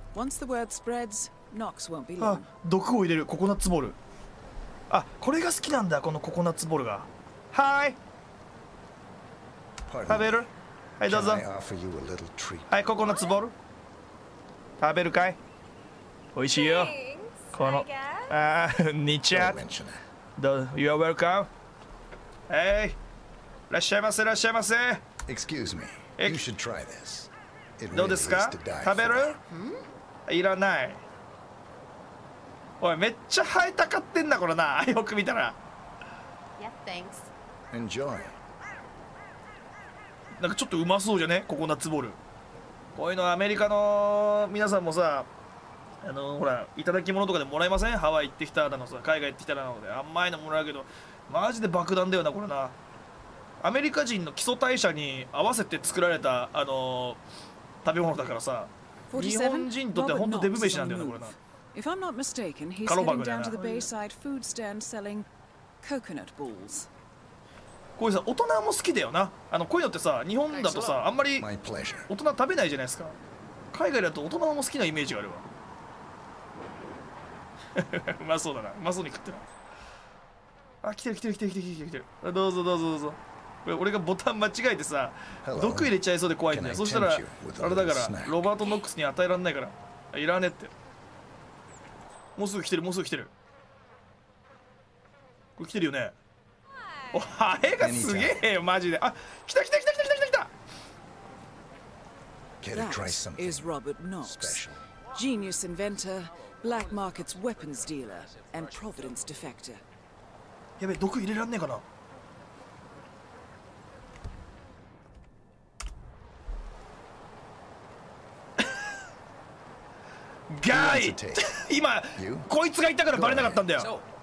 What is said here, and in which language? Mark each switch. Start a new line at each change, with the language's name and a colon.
English: Once the word spreads, Knox won't be long.
Japanese: あ、毒を入れるココナッツボール。あ、これが好きなんだ、このココナッツボールが。はい。食べる？はい、どうぞ。
English: Can I offer you a little treat?
Japanese: はい、ココナッツボール。食べるかい？おいしいよ。この、あ、ニチャ。
English: どう、You are welcome. Hey,
Japanese: いらっしゃいませ。
English: Excuse me. You should try this. It really is to die for.
Japanese: 食べる？いらない。おい、めっちゃ生えたかってんだ、これな。よく見たら。
English: Yeah, thanks. Enjoy.
Japanese: なんかちょっとうまそうじゃね？ココナッツボール。こういうのはアメリカの皆さんもさ、ほら、いただき物とかでもらえません？ハワイ行ってきただのさ、海外行ってきただので甘いのもらうけど、マジで爆弾だよなこれな。アメリカ人の基礎代謝に合わせて作られた食べ物だからさ、日本人にとってはほんとデブ飯なんだよなこれな。
English: If I'm not mistaken, he's heading down to the Bayside food stand selling coconut balls.
Japanese: こういうさ、大人も好きだよな。こういうのってさ、日本だとさ、あんまり大人食べないじゃないですか。海外だと大人も好きなイメージがあるわ。うまそうだな。うまそうに食ってな。あ、来てる来てる来てる来てる来てる。どうぞどうぞどうぞ。これ俺がボタン間違えてさ、毒入れちゃいそうで怖いんだよ。そしたら、あれだから、ロバート・ノックスに与えられないから。いらねって。もうすぐ来てる、もうすぐ来てる。これ来てるよね。お、ハエがすげえよ、マジで。あ、来た来た来た来た来た来た来た。
English: That is Robert Knox, genius inventor, black markets weapons dealer, and Providence defector.
Japanese: やべ、毒入れらんねえかな。ガイ今、こいつが言ったからバレなかったんだよ。